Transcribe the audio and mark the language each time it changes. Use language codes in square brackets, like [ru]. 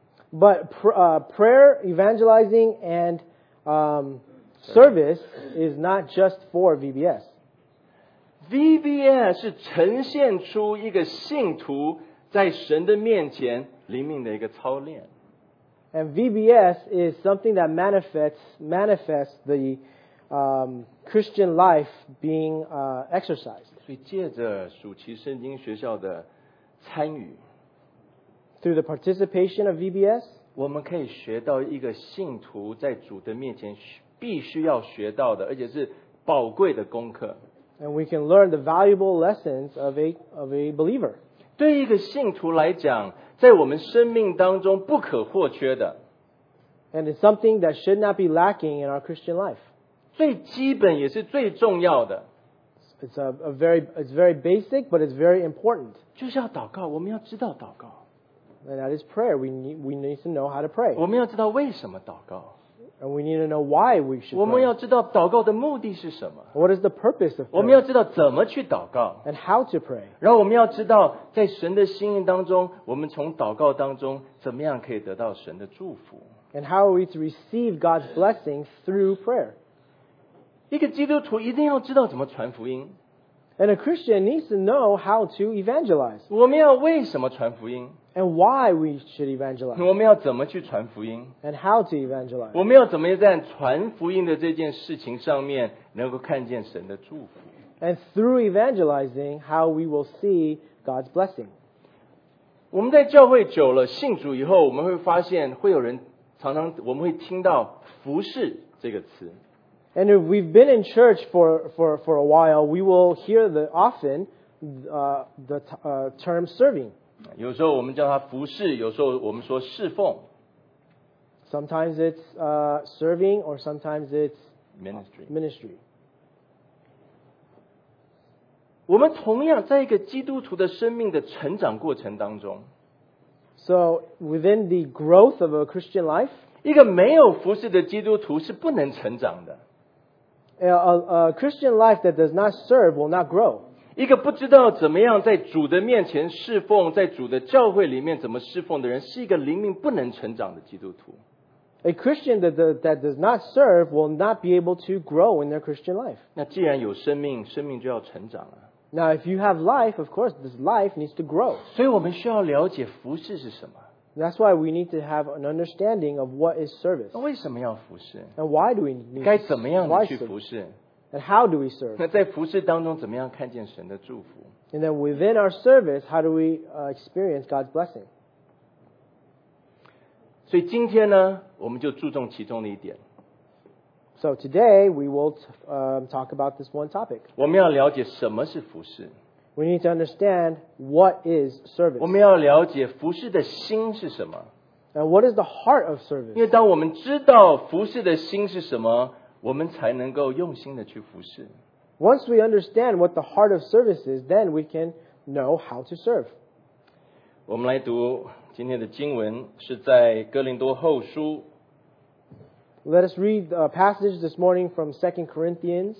[en] But prayer, evangelizing, and service is not just for VBS. [zh] VBS 是呈现出一个信徒在神的面前灵命的一个操练。 [en] And VBS is something that manifests the Christian life being exercised. [zh] 所以借着暑期圣经学校的参与。 [en] Through the participation of VBS, [zh] 我们可以学到一个信徒在主的面前必须要学到的，而且是宝贵的功课。 [en] And we can learn the valuable lessons of a believer. [zh] 对一个信徒来讲，在我们生命当中不可或缺的。 [en] And it's something that should not be lacking in our Christian life. [zh] 最基本也是最重要的。 [en] It's very basic, but it's very important. [zh] 就是要祷告，我们要知道祷告。 [en] And that is prayer. We need to know how to pray. [zh] 我们要知道为什么祷告。 [en] And we need to know why we should pray. [zh] 我们要知道祷告的目的是什么。 [en] What is the purpose of prayer? [zh] 我们要知道怎么去祷告。 [en] And how to pray. [zh] 然后我们要知道在神的心意当中，我们从祷告当中怎么样可以得到神的祝福。 [en] And how are we to receive God's blessing through prayer? [zh] 一个基督徒一定要知道怎么传福音。 [en] And a Christian needs to know how to evangelize. [zh] 我们要为什么传福音。 [en] And why we should evangelize? [zh] 我们要怎么去传福音？ [en] And how to evangelize? [zh] 我们要怎么在传福音的这件事情上面能够看见神的祝福？ [en] And through evangelizing, how we will see God's blessing. [zh] 我们在教会久了，信主以后，我们会发现会有人常常我们会听到服事这个词。 [en] And if we've been in church for a while, we will hear the term serving. [zh] 有时候我们叫他服侍，有时候我们说侍奉。 [en] Sometimes it's serving, or sometimes it's ministry. Ministry. [zh] 我们同样在一个基督徒的生命的成长过程当中。 [en] So within the growth of a Christian life, [zh] 一个没有服事的基督徒是不能成长的。 [en] A Christian life that does not serve will not grow. [zh] 一个不知道怎么样在主的面前侍奉，在主的教会里面怎么侍奉的人，是一个灵命不能成长的基督徒。 [en] A Christian that does not serve will not be able to grow in their Christian life. [zh] 那既然有生命，生命就要成长了。 [en] Now, if you have life, of course, this life needs to grow. [zh] 所以我们需要了解服事是什么。 [en] That's why we need to have an understanding of what is service. [zh] 为什么要服事？ [en] And why do we need [zh] 该怎么样的去服事？ [en] And how do we serve? [zh] 那在服事当中怎么样看见神的祝福？ [en] And then within our service, how do we experience God's blessing? [zh] 所以今天呢，我们就注重其中的一点。 [en] So today, we will talk about this one topic. [zh] 我们要了解什么是服事。 [en] We need to understand what is service. [zh] 我们要了解服事的心是什么。 [en] And what is the heart of service? [zh] 因为当我们知道服事的心是什么，我们才能够用心的去服事。 [en] Once we understand what the heart of service is, then we can know how to serve. [zh] 我们来读今天的经文，是在哥林多后书。 [en] Let us read a passage this morning from 2 Corinthians